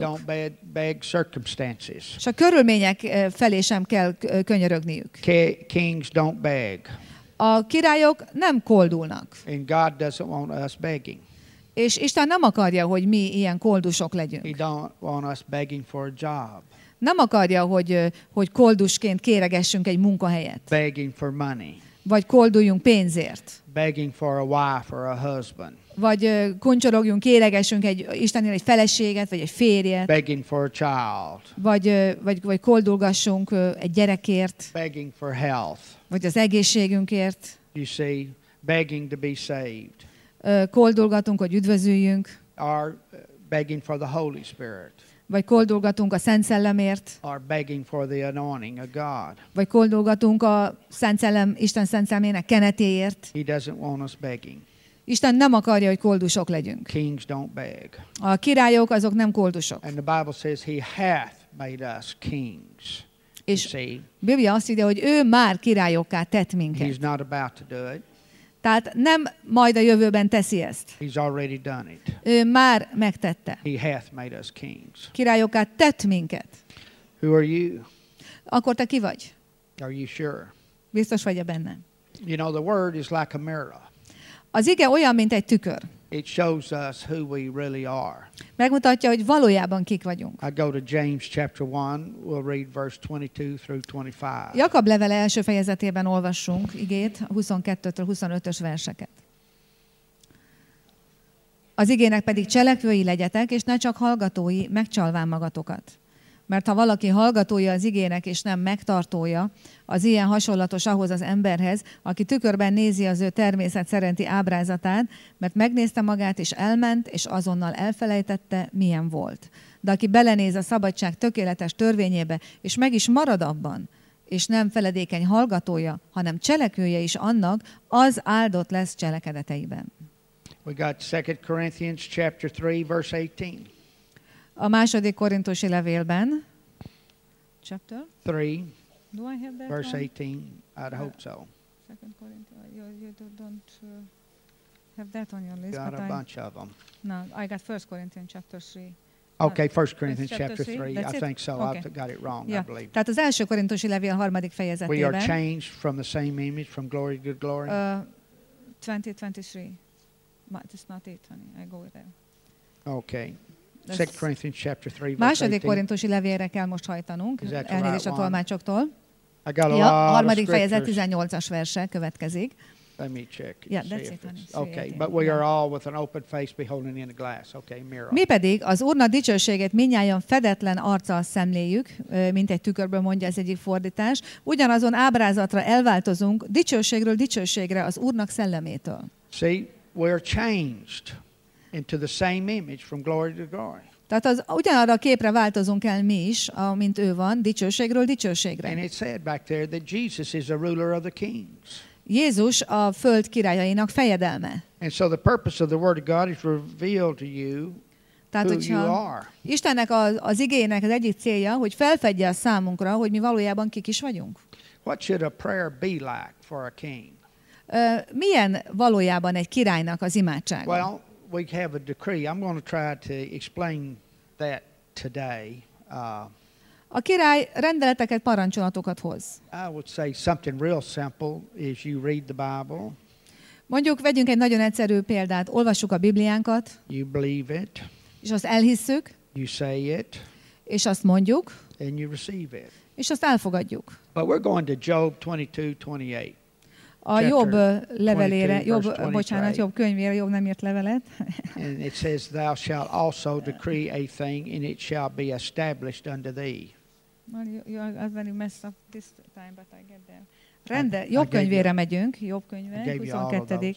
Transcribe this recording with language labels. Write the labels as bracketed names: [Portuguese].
[English] They don't beg circumstances. [Hungarian] És a körülmények felé sem kell könyörögniük. [English] Kings don't beg. [Hungarian] A királyok nem koldulnak. [English] And God doesn't want us begging. [Hungarian] És Isten nem akarja, hogy mi ilyen koldusok legyünk. [English] He don't want us begging for a job. [Hungarian] Nem akarja, hogy koldusként kéregessünk egy munkahelyet. [English] Begging for money. [Hungarian] Vagy kolduljunk pénzért. [English] Begging for a wife or a husband. [Hungarian] Vagy kuncsorogjunk, kéregessünk egy Istennél egy feleséget, vagy egy férjet. [English] Begging for a child. [Hungarian] Vagy koldulgassunk egy gyerekért. [English] Begging for health. [Hungarian] Vagy az egészségünkért. [English] You see, begging to be saved. [Hungarian] Koldulgatunk, hogy üdvözüljünk. [English] Or begging for the Holy Spirit. [Hungarian] Vagy koldulgatunk a Szent Szellemért. [English] Or begging for the anointing of God. [Hungarian] Vagy koldulgatunk a Szent Szellem, Isten Szent Szellemének kenetéért. [English] He doesn't want us begging. [Hungarian] Isten nem akarja, hogy koldusok legyünk. [English] Kings don't beg. [Hungarian] A királyok azok nem koldusok. [English] And the Bible says he hath made us kings. [Hungarian] És a Biblia azt írja, hogy ő már királyokká tett minket. [English] He's not about to do it. [Hungarian] Tehát nem majd a jövőben teszi ezt. [English] He's already done it. [Hungarian] Ő már megtette. [English] He hath made us kings. [Hungarian] Királyokká tett minket. [English] Who are you? [Hungarian] Akkor te ki vagy? [English] Are you sure? [Hungarian] Biztos vagy-e benne? [English] You know, the word is like a mirror. [Hungarian] Az ige olyan, mint egy tükör. [English] It shows us who we really are. [Hungarian] Megmutatja, hogy valójában kik vagyunk. [English] I go to James chapter 1, we'll read verse 22 through 25. [Hungarian] Jakab levele első fejezetében olvassunk igét, 22-től 25-ös verseket. Az igének pedig cselekvői legyetek, és ne csak hallgatói, megcsalván magatokat. Mert ha valaki hallgatója az igének, és nem megtartója, az ilyen hasonlatos ahhoz az emberhez, aki tükörben nézi az ő természet szerinti ábrázatát, mert megnézte magát, és elment, és azonnal elfelejtette, milyen volt. De aki belenéz a szabadság tökéletes törvényébe, és meg is marad abban, és nem feledékeny hallgatója, hanem cselekvője is annak, az áldott lesz cselekedeteiben. [English] We got 2 Corinthians chapter 3, verse 18. [Hungarian] A második korintusi levélben, chapter 3, [English] do I have that verse one? 18, I'd hope so. Second Corinthians, you don't have that on your list. Got but a bunch of them. No, I got 1 Corinthians chapter 3. Okay, 1 Corinthians chapter 3, I think so, okay. I've got it wrong, yeah. I believe. [Hungarian] Tehát az első korintusi levél harmadik fejezetében. [English] We are changed from the same image, from glory to glory. 2023, it's not it, honey, I go there. Okay. 2 Corinthians chapter 3 verse 18. [Hungarian] Második korintusi levélre kell most hajtanunk, elnézést a tolmácsoktól. [English] I got a [Hungarian] harmadik fejezet 18-as verse következik. [English] Let me check. Yeah, that's it. Okay, but we are all with an open face beholding in a glass. Okay, mirror. [Hungarian] Mi pedig az Úrnak dicsőségét mindnyájan fedetlen arccal szemléljük, mint egy tükörből, mondja az egyik fordítás. Ugyanazon ábrázatra elváltozunk, dicsőségről dicsőségre az Úrnak szellemétől. [English] See, we are changed into the same image from glory to glory. [Hungarian] Tehát az ugyanarra a képre változunk el mi is, amint ő van, dicsőségről dicsőségre. [English] And it said back there that Jesus is a ruler of the kings. [Hungarian] Jézus a föld királyainak fejedelme. [English] And so the purpose of the word of God is revealed to you. [Hungarian] Tehát, hogyha Istennek az igének az egyik célja, hogy felfedje a számunkra, hogy mi valójában kik is vagyunk. [English] What should a prayer be like for a king? [Hungarian] Milyen valójában egy királynak az imádsága? [English] Well, we have a decree. I'm going to try to explain that today. [Hungarian] A király rendeleteket, parancsolatokat hoz. [English] I would say something real simple is you read the Bible. [Hungarian] Mondjuk, vegyünk egy nagyon egyszerű példát. Olvassuk a Bibliánkat. [English] You believe it. [Hungarian] És azt elhisszük. [English] You say it. [Hungarian] És azt mondjuk. [English] And you receive it. [Hungarian] És azt elfogadjuk. [English] But we're going to Job 22:28. [Hungarian] A Jobb levelére, Jobb könyvére, Jobb nem írt levelet. [English] And it says, thou shalt also decree a thing, and it shall be established unto thee. Well, you are very messed up this time, but I get there. [Hungarian] Rende, Jobb könyvére megyünk, Jobb könyve, 22.